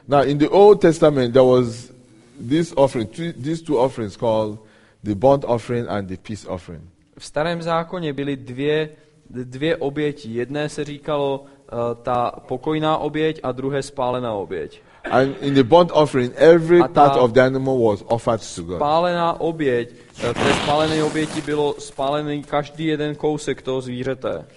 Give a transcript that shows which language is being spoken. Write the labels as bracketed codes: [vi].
[en] Now in the Old Testament there was this offering, these two offerings called the burnt offering and the peace offering. [cs] V starém zákoně byly dvě oběti. Jedné se říkalo ta pokojná oběť a druhé spálená oběť. [en] And in the burnt offering, every part of the animal was offered to God. [cs] Spálená oběť, v té spálené oběti bylo spálený každý jeden kousek toho zvířete.